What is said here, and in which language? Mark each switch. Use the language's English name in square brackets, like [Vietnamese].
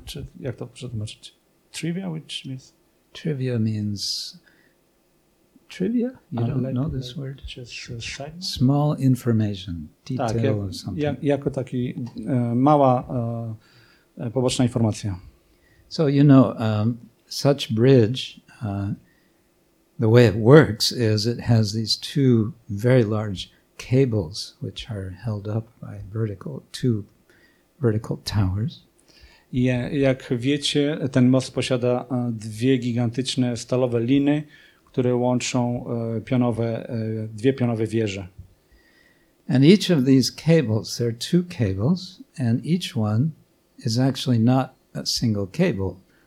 [Polish] Czy jak to przetłumaczyć? [English] Trivia, which means... Trivia means trivia? You don't like, know this word? Just small information, detail [Polish] tak, [English] or something. [Polish] Jako taki mała poboczna informacja. [English] So you know, such bridge, the way it works is it has these two very large cables which are held up by two vertical towers. [Polish] Jak wiecie, ten most posiada dwie gigantyczne stalowe liny, które łączą dwie pionowe wieże. [English] And each of these cables, there are two cables, and each one is actually not a single cable.